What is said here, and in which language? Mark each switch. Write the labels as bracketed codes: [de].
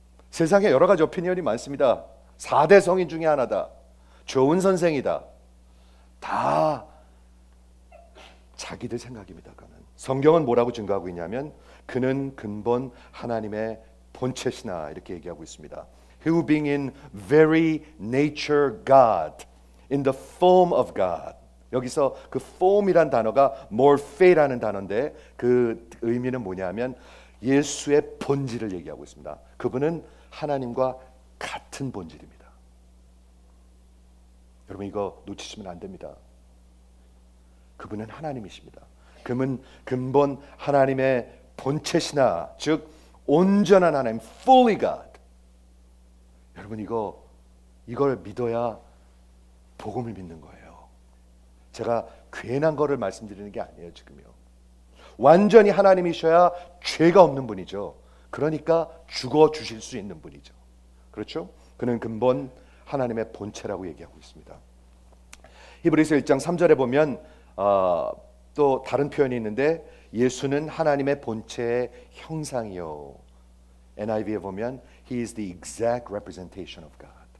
[ko] 세상에 여러 가지 오피니언이 많습니다. 4대 성인 중에 하나다. 좋은 선생이다. 다 자기들 생각입니다. 그는. 성경은 뭐라고 증거하고 있냐면 그는 근본 하나님의 본체시나 이렇게 얘기하고 있습니다. [en] He who being in very nature God, in the form of God. [ko] 여기서 그 form이란 단어가 morphe라는 단어인데 그 의미는 뭐냐면 예수의 본질을 얘기하고 있습니다. 그분은 하나님과 같은 본질입니다. 여러분 이거 놓치시면 안 됩니다. 그분은 하나님이십니다. 그분은 근본 하나님의 본체시나 즉 온전한 하나님, [en] fully God. [ko] 여러분 이걸 믿어야 복음을 믿는 거예요. 제가 괜한 거를 말씀드리는 게 아니에요, 지금요. 완전히 하나님이셔야 죄가 없는 분이죠. 그러니까 죽어 주실 수 있는 분이죠. 그렇죠? 그는 근본 하나님의 본체라고 얘기하고 있습니다. 히브리서 1장 3절에 보면 또 다른 표현이 있는데 예수는 하나님의 본체의 형상이요. NIV에 보면 [en] He is the exact representation of God.